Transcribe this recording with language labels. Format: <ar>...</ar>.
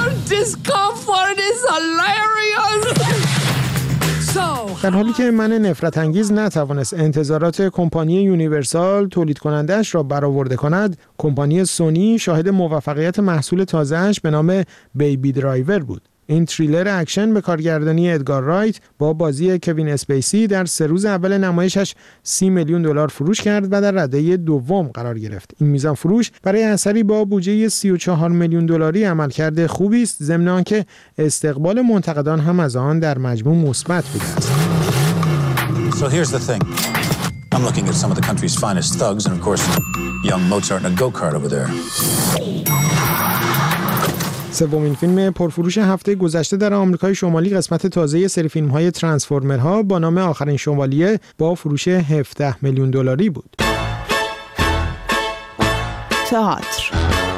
<en>Discomfort is hilarious.</en> <fa>در حالی که من نفرت انگیز نتوانست انتظارات کمپانی یونیورسال تولید کنندهش را برآورده کند، کمپانی سونی شاهد موفقیت محصول تازه‌اش به نام بیبی درایور بود. این تریلر اکشن به کارگردانی ادگار رایت با بازی کوین اسپیسی در سه روز اول نمایشش 30 میلیون دلار فروش کرد و در رده دوم قرار گرفت. این میزان فروش برای اثری با بودجه 34 میلیون دلاری عملکرد خوبی است، ضمن آنکه استقبال منتقدان هم از آن در مجموع مثبت بوده است.</fa> <en>So here's the thing. I'm looking at some of the country's finest thugs and of course young Mozart in a go-kart over there.</en> <fa>سومین فیلم پرفروش هفته گذشته در آمریکای شمالی قسمت تازه سری فیلم‌های ترانسفورمرها با نام آخرین شوالیه با فروش 17 میلیون دلاری بود. تئاتر.</fa>